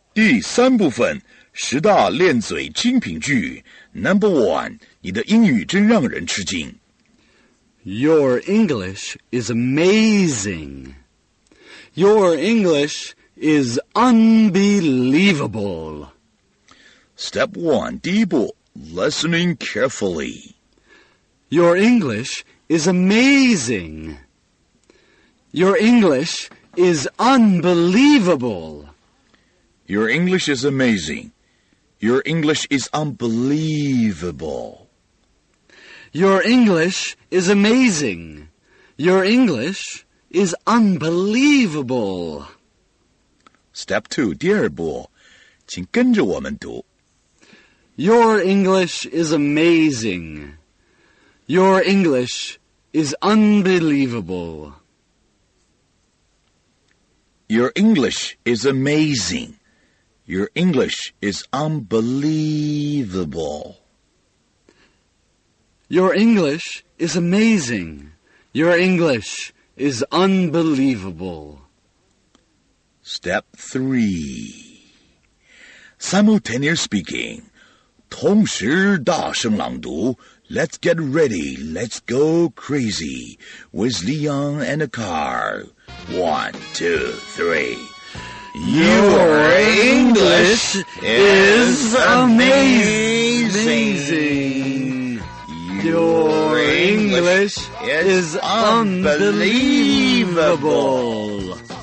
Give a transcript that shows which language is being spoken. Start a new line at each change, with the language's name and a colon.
Chinese: 第三部分，十大练嘴精品句。
English: Number one,
Chinese: 你的英语真让人吃惊。
English: Your English is amazing. Your English is unbelievable. Step one,
Chinese: 第一步。
English: Listening carefully. Your English is amazing. Your English is unbelievable. Your English is amazing. Your English is unbelievable. Your English is amazing. Your English is unbelievable. Step 2,
Chinese: 第二步，请跟着我们读。
English: Your English is amazing. Your English is unbelievable. Your English is amazing. Your English is unbelievable. Your English is amazing. Your English is unbelievable. Step 3. Simultaneous speaking.
Chinese: 同时大声朗读
English: Let's get ready. Let's go crazy with Leon and the car. 1, 2, 3. Your English is amazing. Your English is unbelievable.